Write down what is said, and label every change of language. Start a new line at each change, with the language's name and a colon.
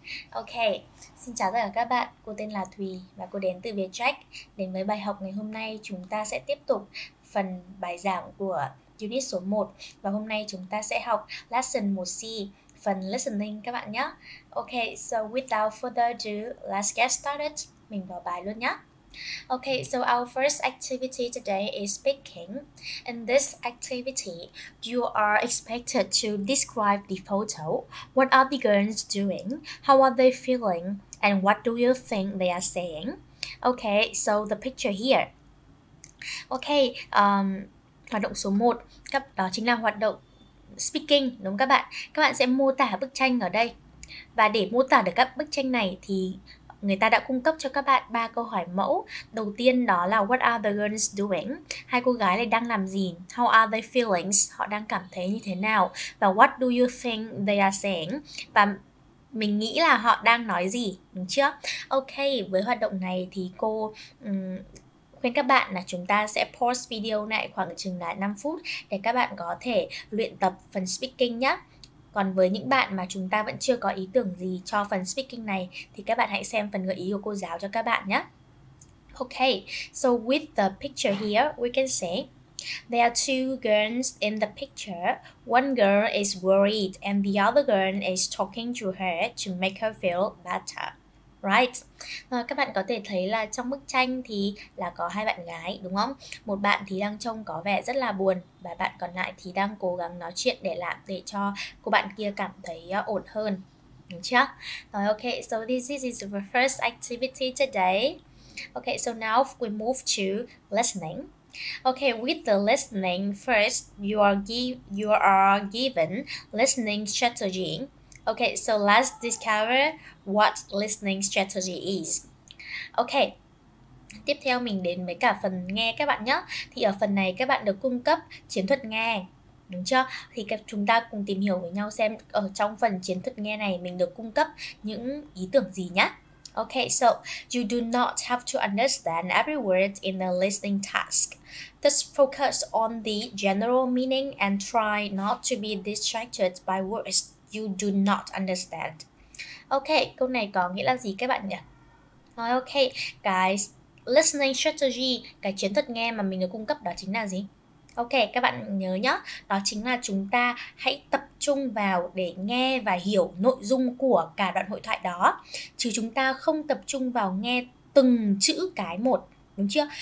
Vietnamese: Ok, xin chào tất cả các bạn, cô tên là Thùy và cô đến từ Vietjet. Đến với bài học ngày hôm nay, chúng ta sẽ tiếp tục phần bài giảng của unit số 1. Và hôm nay chúng ta sẽ học lesson 1C, phần listening các bạn nhé.
English: Ok, so without further ado, let's get started.
Vietnamese: Mình vào bài luôn nhé.
English: Ok, so our first activity today is speaking. In this activity, you are expected to describe the photo. What are the girls doing? How are they feeling? And what do you think they are saying? Ok, so the picture here.
Vietnamese: Ok, hoạt động số 1, đó chính là hoạt động speaking, đúng các bạn? Các bạn sẽ mô tả bức tranh ở đây. Và để mô tả được các bức tranh này thì người ta đã cung cấp cho các bạn 3 câu hỏi mẫu. Đầu tiên đó là
English: what are the girls doing?
Vietnamese: Hai cô gái này đang làm gì?
English: How are their feelings?
Vietnamese: Họ đang cảm thấy như thế nào? Và
English: what do you think they are saying?
Vietnamese: Và mình nghĩ là họ đang nói gì, đúng chưa? Ok, với hoạt động này thì cô khuyên các bạn là chúng ta sẽ pause video này khoảng chừng là 5 phút để các bạn có thể luyện tập phần speaking nhé. Còn với những bạn mà chúng ta vẫn chưa có ý tưởng gì cho phần speaking này thì các bạn hãy xem phần gợi ý của cô giáo cho các bạn nhé.
English: Ok, so with the picture here, we can say there are two girls in the picture. One girl is worried and the other girl is talking to her to make her feel better. Right?
Vietnamese: Rồi, các bạn có thể thấy là trong bức tranh thì là có hai bạn gái, đúng không? Một bạn thì đang trông có vẻ rất là buồn và bạn còn lại thì đang cố gắng nói chuyện để làm để cho cô bạn kia cảm thấy ổn hơn, đúng chưa?
English: Rồi, ok, so this is the first activity today. Ok, so now we move to listening. Ok, with the listening, first you are given listening strategy. Ok, so let's discover what listening strategy is.
Vietnamese: Ok, tiếp theo mình đến với cả phần nghe các bạn nhé. Thì ở phần này các bạn được cung cấp chiến thuật nghe, đúng chưa? Thì chúng ta cùng tìm hiểu với nhau xem ở trong phần chiến thuật nghe này mình được cung cấp những ý tưởng gì nhé.
English: Ok, so you do not have to understand every word in the listening task. Just focus on the general meaning and try not to be distracted by words you do not understand.
Vietnamese: Ok, câu này có nghĩa là gì các bạn nhỉ? Rồi, ok, cái listening strategy, cái chiến thuật nghe mà mình được cung cấp đó chính là gì? Ok, các bạn nhớ nhá, đó chính là chúng ta hãy tập trung vào để nghe và hiểu nội dung của cả đoạn hội thoại đó, chứ chúng ta không tập trung vào nghe từng chữ cái một, đúng chưa?